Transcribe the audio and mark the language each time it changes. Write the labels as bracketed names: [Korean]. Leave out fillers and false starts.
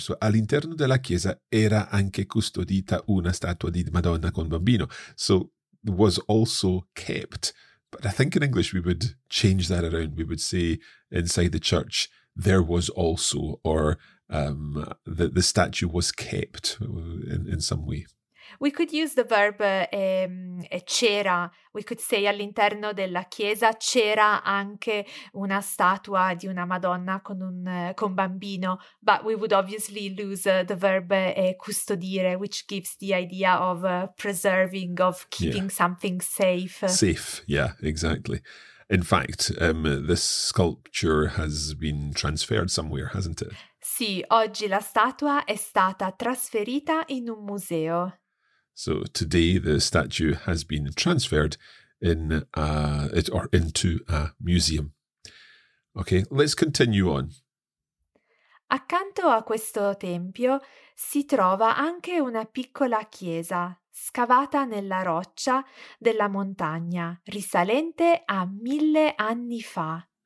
[Italian] So all'interno della chiesa era anche custodita una statua di Madonna con bambino. [English] So was also kept. But I think in English we would change that around. We would say inside the church there was also, or the statue was kept in some way. [Italian] We could use the verb c'era. We could say all'interno della chiesa c'era anche una statua di una Madonna con un con bambino. [English] But we would obviously lose the verb custodire, which gives the idea of preserving, of keeping something safe. Safe, yeah, exactly. In fact, this sculpture has been transferred somewhere, hasn't it? [Italian] Sì, oggi la statua è stata trasferita in un museo. [English] So today the statue has been transferred into a museum. Okay, let's continue on. [Italian] Accanto a questo tempio si trova anche una piccola chiesa scavata nella roccia della montagna, risalente a 1000 anni fa.